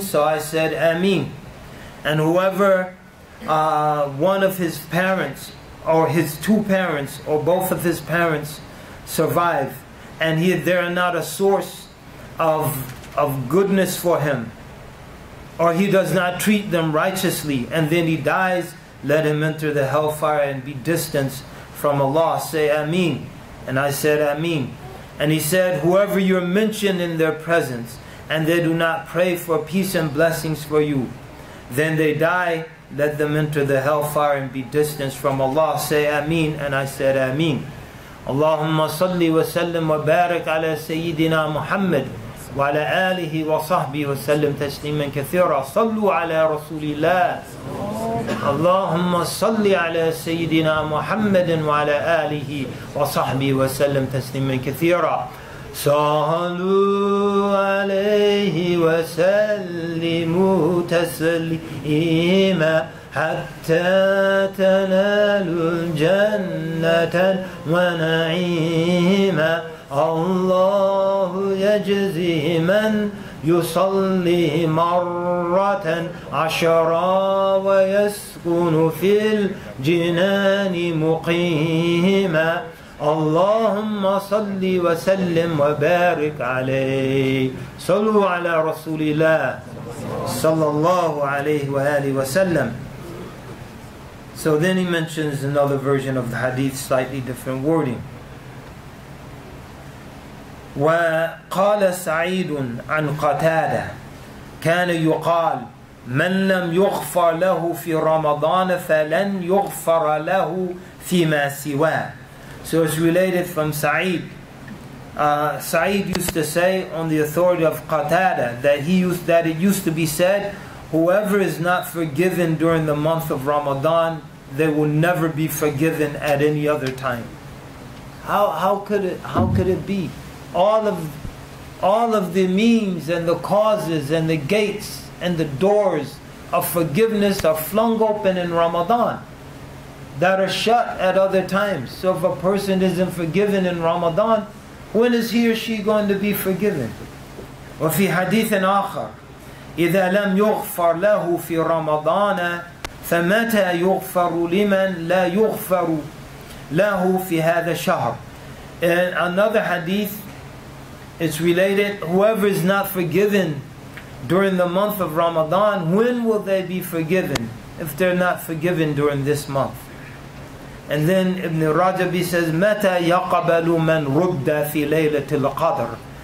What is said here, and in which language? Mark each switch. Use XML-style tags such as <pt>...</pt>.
<en>So I said Ameen. And whoever one of his parents or his two parents or both of his parents survive and there are not a source of goodness for him, or he does not treat them righteously, and then he dies, let him enter the hellfire and be distanced from Allah. Say Ameen. And I said Ameen. And he said, whoever you are mentioned in their presence, and they do not pray for peace and blessings for you, then they die, let them enter the hellfire and be distanced from Allah. Say Ameen. And I said Ameen.</en> <ar>Allahumma salli wa sallim wa barak ala Sayyidina Muhammad وعلى آله وصحبه وسلم تسليما كثيرا صلوا على رسول الله اللهم صل على سيدنا محمد وعلى آله وصحبه وسلم تسليما كثيرا صلوا عليه وسلموا تسليما حتى تنالوا الجنة ونعيما الله يجزي من يصلي مرة عشرا ويسكن في الجنان مقيما اللهم صل وسلم وبارك عليه صلوا على رسول الله صلى الله عليه وآله وسلم.</ar> <en>So then he mentions another version of the hadith, slightly different wording.</en> <ar>وقال سعيد عن قتادة كان يقال من لم يغفر له في رمضان فلن يغفر له فيما سواه.</ar> <en>So it's related from Sa'id. Sa'id used to say on the authority of Qatada that it used to be said, whoever is not forgiven during the month of Ramadan, they will never be forgiven at any other time. How could it be? All of the means and the causes and the gates and the doors of forgiveness are flung open in Ramadan that are shut at other times. So if a person isn't forgiven in Ramadan, when is he or she going to be forgiven?</en> <ar>وفي حديث آخر إذا لم يغفر له في رمضان فمتى يغفر لمن لا يغفر له في هذا الشهر.</ar> <en>And another hadith, it's related, whoever is not forgiven during the month of Ramadan, when will they be forgiven if they're not forgiven during this month? And then Ibn Rajabi says,</en> <ar>مَتَى يَقَبَلُ مَنْ رُدَّ فِي لَيْلَةِ الْقَدْرِ.</ar>